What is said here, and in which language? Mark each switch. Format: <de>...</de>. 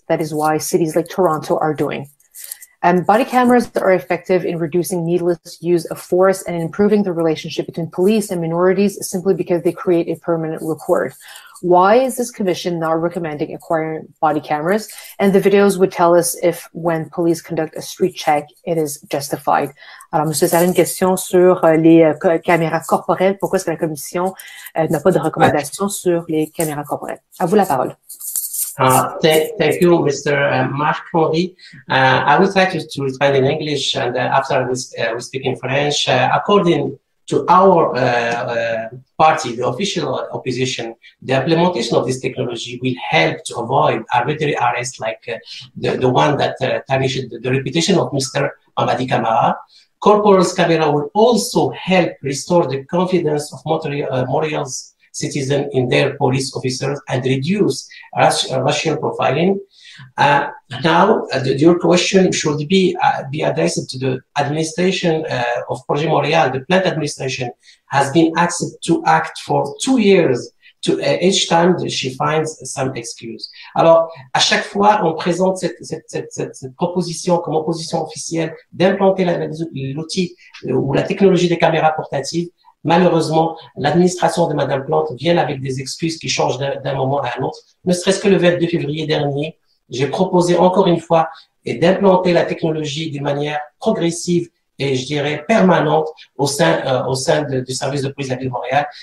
<en>That is why cities like Toronto are doing. Body cameras are effective in reducing needless use of force and improving the relationship between police and minorities simply because they create a permanent record. Why is this commission not recommending acquiring body cameras? And the videos would tell us if, when police conduct a street check, it is justified.</en> <fr>Alors, Monsieur Sari, une question sur les caméras corporelles. Pourquoi est-ce que la commission n'a pas de recommandation sur les caméras corporelles? À vous la parole.</fr> <en>Thank you, Mr. Mark Henry. I would like to respond in English, and after we speak in French. According to our party, the official opposition, the implementation of this technology will help to avoid arbitrary arrests like the one that tarnished the reputation of Mr. Amadi Camara. Corporal's camera will also help restore the confidence of Montreal's citizens in their police officers and reduce racial profiling. Your question should be addressed to the administration of Projet Montreal. The plant administration has been asked to act for 2 years to each time that she finds some excuse.</en> <fr>Alors, à chaque fois, on présente cette proposition comme opposition officielle d'implanter l'outil ou la technologie des caméras portatives. Malheureusement, l'administration de Madame Plante vient avec des excuses qui changent d'un moment à un autre. Ne serait-ce que le 22 février dernier, j'ai proposé encore une fois et d'implanter la technologie d'une manière progressive et je dirais permanente au sein du service de police de la ville de Montréal.</fr>